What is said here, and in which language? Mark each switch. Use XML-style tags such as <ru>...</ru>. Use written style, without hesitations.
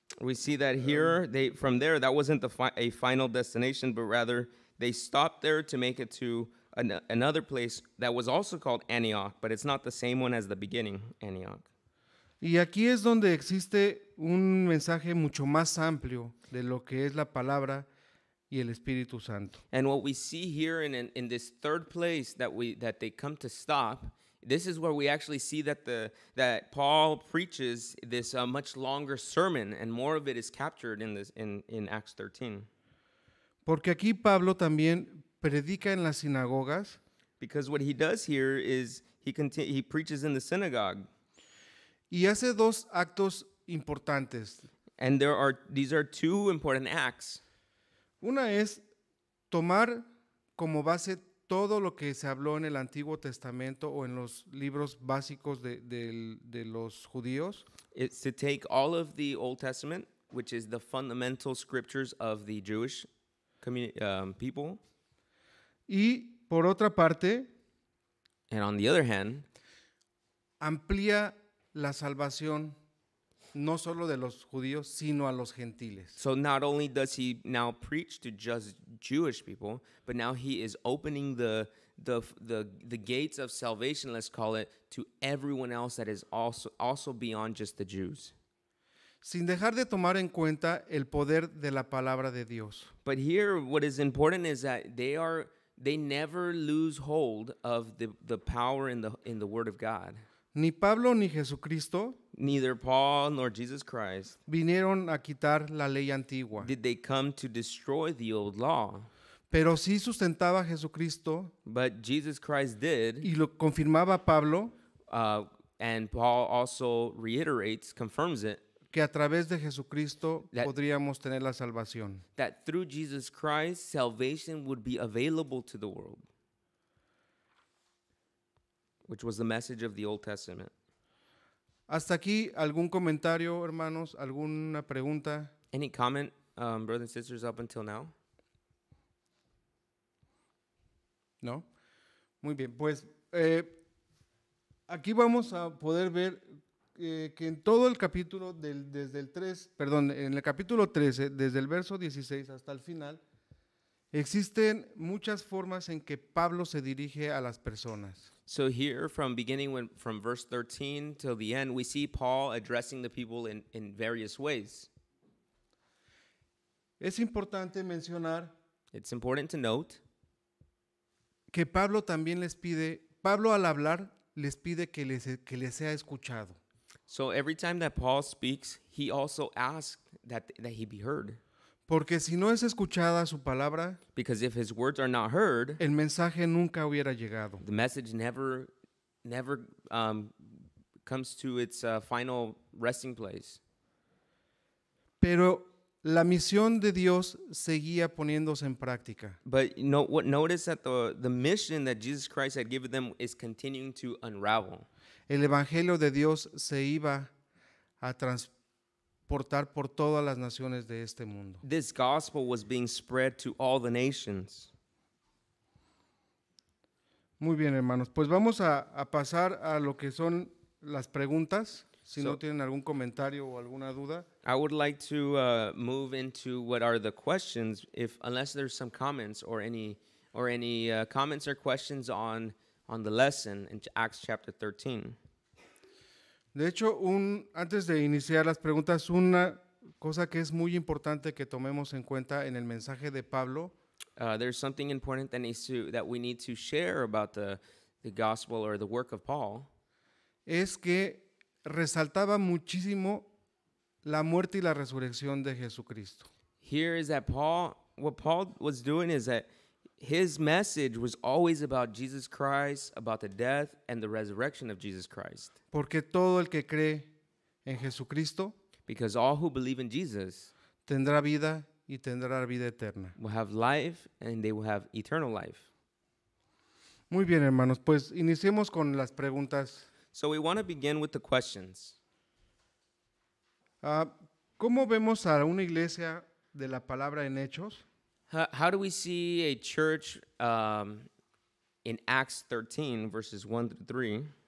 <en>We see that here, they from there, that wasn't a final destination, but rather they stopped there to make it to another place that was also called Antioch, but it's not the same one as the beginning, Antioch.</en> <es>Y aquí es donde existe un mensaje mucho más amplio de lo que es la palabra y el Espíritu Santo.</es> <en>And what we see here in this third place that they come to stop, this is where we actually see that Paul preaches this much longer sermon, and more of it is captured in Acts 13.</en> <es>Porque aquí Pablo también predica en las sinagogas.</es> <en>Because what he does here is he preaches in the synagogue.</en> <es>Y hace dos actos importantes.</es> <en>And these are two important acts.</en> <es>Una es tomar como base todo lo que se habló en el Antiguo Testamento o en los libros básicos de los judíos.</es> <en>It's to take all of the Old Testament, which is the fundamental scriptures of the Jewish people.</en> <es>Y por otra parte,</es> <en>and on the other hand,</en> <es>amplía la salvación no solo de los judíos, sino a los gentiles.</es> <en>So not only does he now preach to just Jewish people, but now he is opening the gates of salvation, let's call it, to everyone else that is also beyond just the Jews.</en> <es>Sin dejar de tomar en cuenta el poder de la palabra de Dios.</es> <en>But here what is important is that they never lose hold of the power in the word of God.</en> <es>Ni Pablo ni Jesucristo.</es> <en>Neither Paul nor Jesus Christ.</en> <es>Vinieron a quitar la ley antigua.</es> <en>Did they come to destroy the old law?</en> <es>Pero sí sustentaba a Jesucristo.</es> <en>But Jesus Christ did.</en> <es>Y lo confirmaba Pablo.</es> <en>And Paul also reiterates, confirms it.</en> <es>Que a través de Jesucristo podríamos tener la salvación.</es> <en>That through Jesus Christ, salvation would be available to the world. Which was the message of the Old Testament.</en> <es>Hasta aquí, algún comentario, hermanos, alguna pregunta.</es> <en>Any comment, brothers and sisters, up until now?</en> <es>No. Muy bien, pues aquí vamos a poder ver que en todo el capítulo, en el capítulo 13, desde el verso 16 hasta el final, existen muchas formas en que Pablo se dirige a las personas.</es> <en>So here, from verse 13 till the end, we see Paul addressing the people in various ways.</en> <es>Es importante mencionar.</es> <en>It's important to note</en> <es>que Pablo también les pide. Pablo al hablar les pide que les sea escuchado.</es> <en>So every time that Paul speaks, he also asks that he be heard.</en> <es>Porque si no es escuchada su palabra,</es> <en>because if his words are not heard,</en> <es>el mensaje nunca hubiera llegado.</es> <en>The message never comes to its final resting place.</en> <es>Pero La misión de Dios seguía poniéndose en práctica.</es> <en>But you know, what, notice that the mission that Jesus Christ had given them is continuing to unravel.</en> <es>El evangelio de Dios se iba a transportar por todas las naciones de este mundo.</es> <en>This gospel was being spread to all the nations.</en> <es>Muy bien, hermanos. Pues vamos a pasar a lo que son las preguntas. Si no tienen algún comentario o alguna duda.</es> <en>I would like to move into what are the questions, unless there's some comments or any comments or questions on the lesson in Acts chapter 13.</en> <es>De hecho, antes de iniciar las preguntas, una cosa que es muy importante que tomemos en cuenta en el mensaje de Pablo.</es> <en>There's something important that we need to share about the gospel or the work of Paul.</en> <es>Es que resaltaba muchísimo la muerte y la resurrección de Jesucristo.</es> <en>Here is that what Paul was doing is that his message was always about Jesus Christ, about the death and the resurrection of Jesus Christ.</en> <es>Porque todo el que cree en Jesucristo,</es> <en>because all who believe in Jesus,</en> <es>tendrá vida y tendrá vida eterna.</es> <en>Will have life and they will have eternal life.</en> <es>Muy bien, hermanos, pues iniciemos con las preguntas.</es> <en>So we want to begin with the questions.</en> <es>¿Cómo vemos a una iglesia de la palabra en Hechos?</es> <en>How do we see a church in Acts 13, verses 1-3?</en>